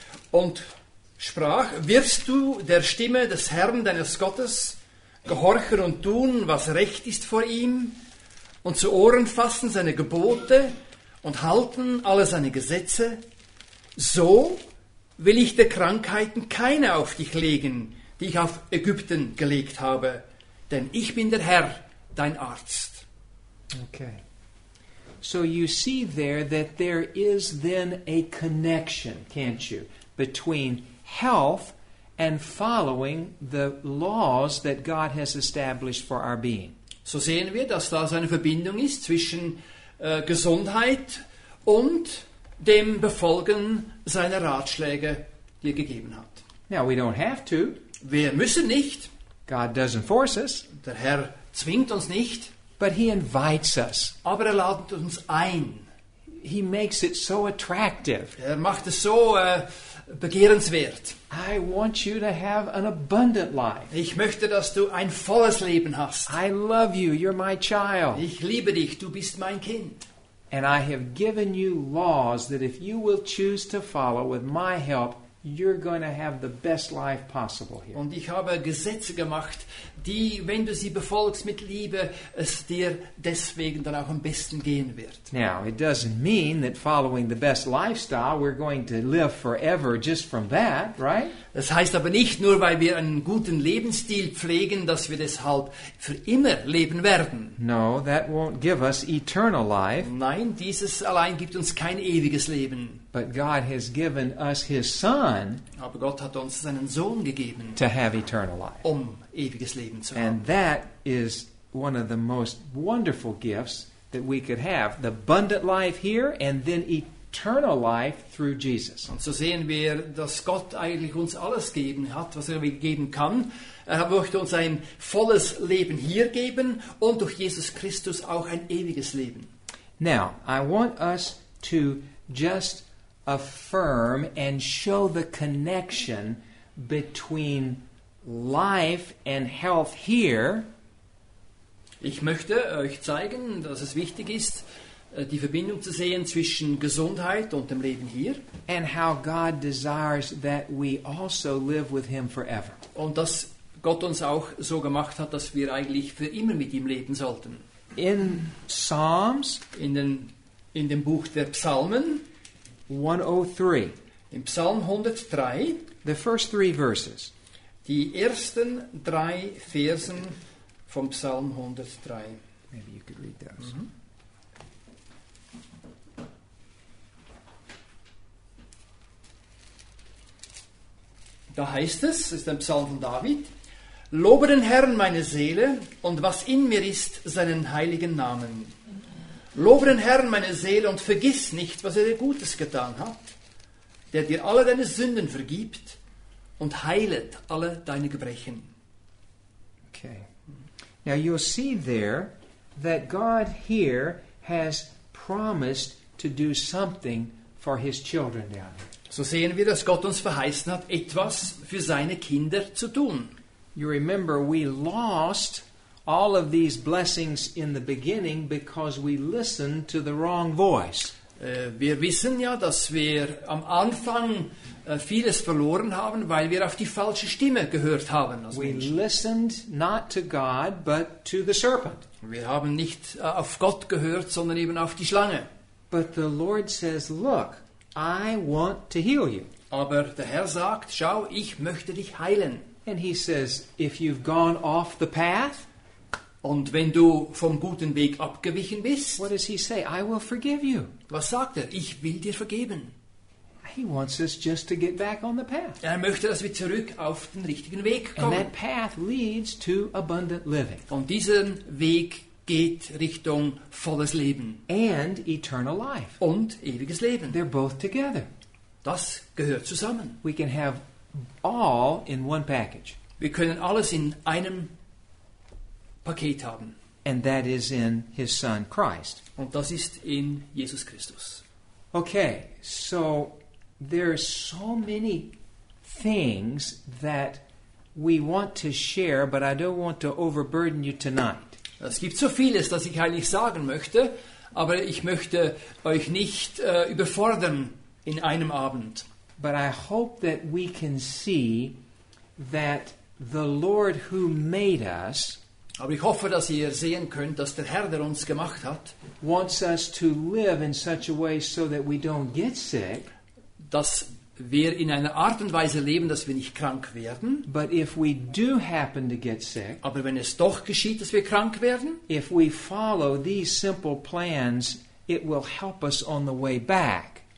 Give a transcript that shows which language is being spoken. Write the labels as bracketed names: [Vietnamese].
[German] Und sprach, wirst du der Stimme des Herrn, deines Gottes, gehorchen und tun, was recht ist vor ihm, und zu Ohren fassen seine Gebote und halten alle seine Gesetze, so will ich der Krankheiten keine auf dich legen, die ich auf Ägypten gelegt habe, denn ich bin der Herr, dein Arzt. [English] Okay. So you see there that there is then a connection, can't you, between health and following the laws that God has established for our being. [German] So sehen wir, dass da eine Verbindung ist zwischen Gesundheit und dem Befolgen seiner Ratschläge, die er gegeben hat. [English] Now we don't have to. [German] Wir müssen nicht. [English] God doesn't force us. [German] Der Herr zwingt uns nicht. [English] But he invites us. [German] Aber er ladet uns ein. [English] He makes it so attractive. [German] Er macht es so begehrenswert. [English] I want you to have an abundant life. [German] Ich möchte, dass du ein volles Leben hast. [English] I love you, you're my child. [German] Ich liebe dich, du bist mein Kind. [English] And I have given you laws that if you will choose to follow with my help, you're going to have the best life possible here. [German] Und ich habe Gesetze gemacht, die, wenn du sie befolgst mit Liebe, es dir deswegen dann auch am besten gehen wird. [English] Now, it doesn't mean that following the best lifestyle, we're going to live forever just from that, right? [German] Das heißt aber nicht nur, weil wir einen guten Lebensstil pflegen, dass wir deshalb für immer leben werden. [English] No, that won't give us eternal life. [German] Nein, dieses allein gibt uns kein ewiges Leben. [English] But God has given us his Son. [German] Aber Gott hat uns seinen Sohn gegeben. [English] To have eternal life. [German] Um ewiges Leben zu [English] and [German] haben. [English] And that is one of the most wonderful gifts that we could have. The abundant life here and then eternal life through Jesus. [German] Und so sehen wir, dass Gott eigentlich uns alles geben hat, was er geben kann. Er möchte uns ein volles Leben hier geben und durch Jesus Christus auch ein ewiges Leben. [English] Now, I want us to just affirm and show the connection between life and health here. [German] Ich möchte euch zeigen, dass es wichtig ist, die Verbindung zu sehen zwischen Gesundheit und dem Leben hier. [English] And how God desires that we also live with him forever. [German] Und dass Gott uns auch so gemacht hat, dass wir eigentlich für immer mit ihm leben sollten. [English] In Psalms, [German] in dem Buch der Psalmen, 103. In Psalm 103, [English] the first three verses. [German] Die ersten drei Versen vom Psalm 103. [English] Maybe you could read those. Mm-hmm. [German] Da heißt es, ist im Psalm von David, lobe den Herrn, meine Seele, und was in mir ist, seinen heiligen Namen. Lobe den Herrn, meine Seele, und vergiss nicht, was er dir Gutes getan hat, der dir alle deine Sünden vergibt und heilet alle deine Gebrechen. [English] Okay. Now you'll see there that God here has promised to do something for his children down here. [German] So sehen wir, dass Gott uns verheißen hat, etwas für seine Kinder zu tun. [English] You remember, we lost all of these blessings in the beginning because we listened to the wrong voice. [German] Wir wissen ja, dass wir am Anfang vieles verloren haben, weil wir auf die falsche Stimme gehört haben. [English] We listened not to God, but to the serpent. [German] Wir haben nicht auf Gott gehört, sondern eben auf die Schlange. [English] But the Lord says, look, I want to heal you. [German] Aber der Herr sagt, schau, ich möchte dich heilen. [English] And he says, if you've gone off the path, [German] und wenn du vom guten Weg abgewichen bist, [English] what does he say? I will forgive you. [German] Was sagt er? Ich will dir vergeben. [English] He wants us just to get back on the path. [German] Er möchte, dass wir zurück auf den richtigen Weg kommen. [English] And that path leads to abundant living. [German] Und diesen Weg geht Richtung volles Leben. [English] And eternal life. [German] Und ewiges Leben. [English] They're both together. [German] Das gehört zusammen. [English] We can have all in one package. [German] Wir können alles in einem Paket haben. [English] And that is in his son Christ. [German] Und das ist in Jesus Christus. [English] Okay, so there are so many things that we want to share, but I don't want to overburden you tonight. [German] Es gibt so vieles, das ich eigentlich sagen möchte, aber ich möchte euch nicht überfordern in einem Abend. [English] But I hope that we can see that the Lord who made us, [German] aber ich hoffe, dass ihr sehen könnt, dass der Herr, der uns gemacht hat, [English] wants us to live in such a way so that we don't get sick, [German] dass wir in einer Art und Weise leben, dass wir nicht krank werden. [English] But if we do happen to get sick, [German] aber wenn es doch geschieht, dass wir krank werden, [English] if we follow these simple plans, it will help us on the way back.